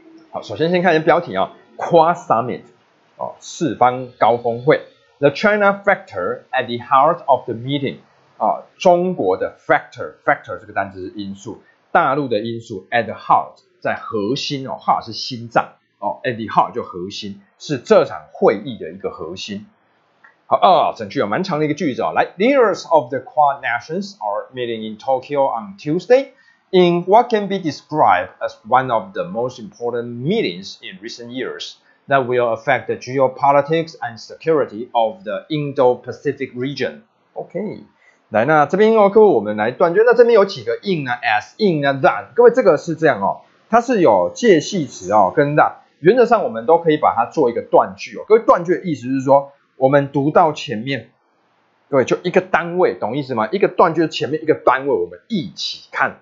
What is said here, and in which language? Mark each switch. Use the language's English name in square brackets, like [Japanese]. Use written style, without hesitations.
[Chinese] 好，首先先看一下标题啊、哦、，Quad Summit。哦、四方高峰会 ， [English] The China factor at the heart of the meeting、 [Chinese] 哦。中国的 factor 这个单词是因素，大陆的因素 [English] at the heart [Chinese] 在核心哦 ，heart 是心脏哦 ，at the heart 就核心，是这场会议的一个核心。好啊、哦，整句有、哦、蛮长的一个句子哦。 [English] 来 ，Leaders of the Quad nations are meeting in Tokyo on Tuesday in what can be described as one of the most important meetings in recent years。 That will affect the geopolitics and security of the Indo-Pacific region. [Chinese] OK， 来那这边哦，各位我们来断句。那这边有几个 in 呢 ？as in 呢 ？that， 各位这个是这样哦，它是有介系词哦跟 that， 原则上我们都可以把它做一个断句哦。各位断句的意思是说，我们读到前面，各位就一个单位，懂意思吗？一个断句前面一个单位，我们一起看。